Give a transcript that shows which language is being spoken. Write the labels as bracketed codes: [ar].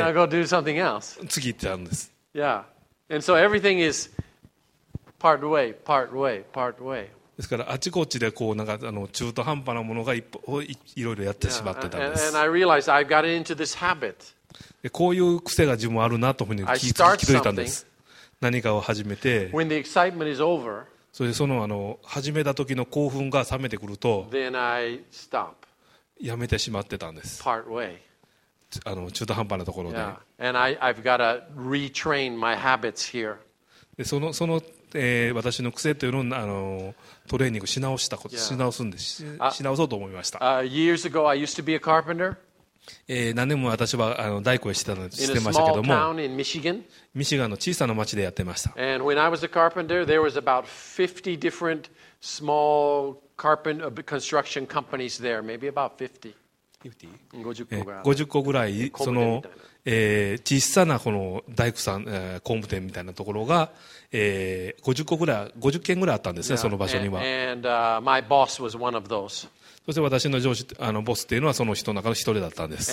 [en] And I'll go do something else. [ja] 次行っちゃうんです。 [en] Yeah. And so everything is part way, part way, part way. [ja] ですからあちこちでこうなんか中途半端なものが いろいろやってしまってたんです。 [en] And I realized I've got into this habit. [ja] こういう癖が自分はあるなというふうに気づいたんです。何かを始めて、 [en] When the excitement is over, [ja] それでその始めた時の興奮が冷めてくると、 [en] Then I stop. [ja] やめてしまってたんです。 [en] Part way. [ja] 中途半端なところで。 [en] Yeah. And I've got to retrain my habits here. [ja] でその、私の癖というのをトレーニングし直したこと、yeah. し直そうと思いました。 [en] Years ago, I used to be a carpenter. [ja] 何年も私は大工をしてたのしてましたけども、ミシガンの小さな町でやってました。 [en] And when I was a carpenter, there was about 50 different small construction companies there, maybe about 50. [ja] 50個ぐらい、その、小さなこの大工さん、工務店みたいなところが、50軒ぐらいあったんですね、その場所には。 [en] My boss was one of those. [ja] そして私の上司、あのボスっていうのはその人の中の一人だったんです。